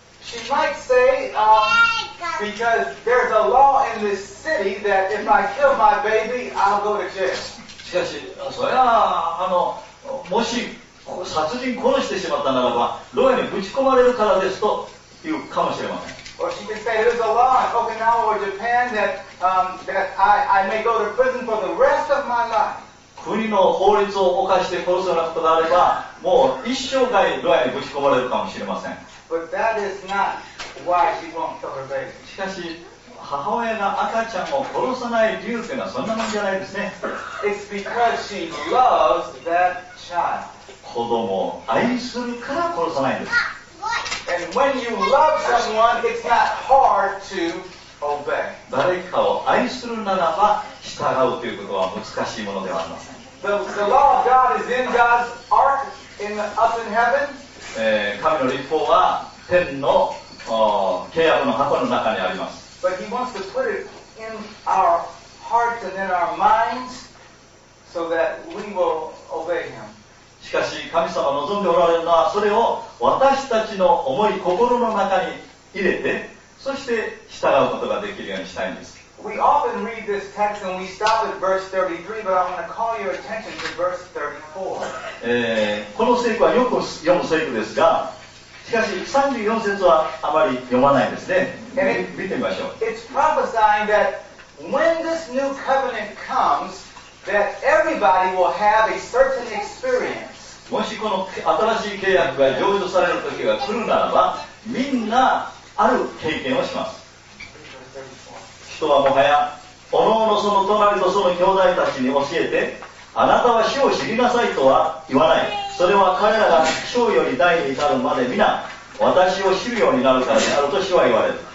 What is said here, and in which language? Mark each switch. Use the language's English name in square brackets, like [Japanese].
[English] She might say, because there's a law in this city that if I kill my baby, I'll go to jail. [Japanese] しかし、それはもし殺人殺してしまったならば、牢屋にぶち込まれるからですと言うかもしれません。 [English] Or she could say, there's a law in Okinawa or Japan that, that I may go to prison for the rest of my life. [Japanese] 国の法律を犯して殺されることがあれば、もう一生涯牢屋にぶち込まれるかもしれません。 [English] But that is not why she won't kill her baby. [Japanese] しかし、母親が赤ちゃんを殺さない理由というのはそんなもんじゃないですね。 [English] It's because she loves that child. [Japanese] 子供を愛するから殺さないんです。 [English] And when you love someone, it's not hard to obey. [Japanese] 誰かを愛するならば従うということは難しいものではありません。 [English] The law of God is in God's ark in up in heaven. [Japanese] 神の律法は天の契約の箱の中にあります。 [English] But he wants to put it in our hearts and in our minds so that we will obey him. [Japanese] しかし神様望んでおられるのはそれを私たちの思い心の中に入れてそして従うことができるようにしたいんです。 [English] We often read this text and we stop at verse 33, but I want to call your attention to verse 34. [Japanese] この聖句はよく読む聖句ですが、しかし34節はあまり読まないですね。見てみましょう。 [English] It's prophesying that when this new covenant comes, that everybody will have a certain experience. [Japanese] もしこの新しい契約が成就される時が来るならば、みんなある経験をします。人はもはや、おのおのその隣とその兄弟たちに教えて、あなたは主を知りなさいとは言わない。それは彼らが小より大に至るまで皆、私を知るようになるからであると主は言われる。